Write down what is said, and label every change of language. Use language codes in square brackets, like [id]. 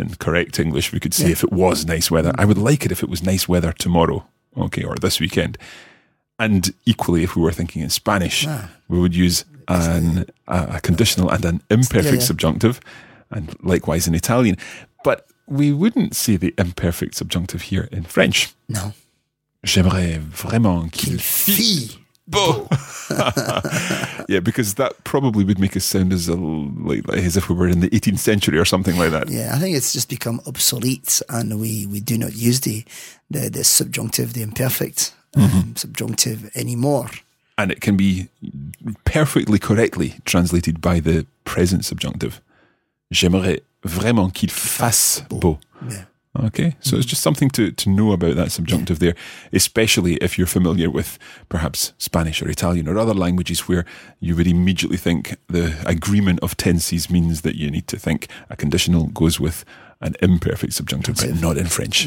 [en] In correct English, we could say if it was nice weather. Mm-hmm. I would like it if it was nice weather tomorrow, okay, or this weekend. And equally, if we were thinking in Spanish, we would use a conditional and an imperfect subjunctive, and likewise in Italian. But we wouldn't see the imperfect subjunctive here in French. No. [fr] J'aimerais vraiment qu'il fît beau. [en] Yeah, because that probably would make us sound as if we were in the 18th century or something like that. Yeah, I think it's just become obsolete, and we do not use the subjunctive, the imperfect. Mm-hmm. Subjunctive anymore. And it can be perfectly correctly translated by the present subjunctive. [fr] J'aimerais vraiment qu'il fasse beau. [en] Yeah. Okay, so mm-hmm. It's just something to know about that subjunctive there, especially if you're familiar with perhaps Spanish or Italian or other languages where you would immediately think the agreement of tenses means that you need to think a conditional goes with an imperfect subjunctive, but not in French.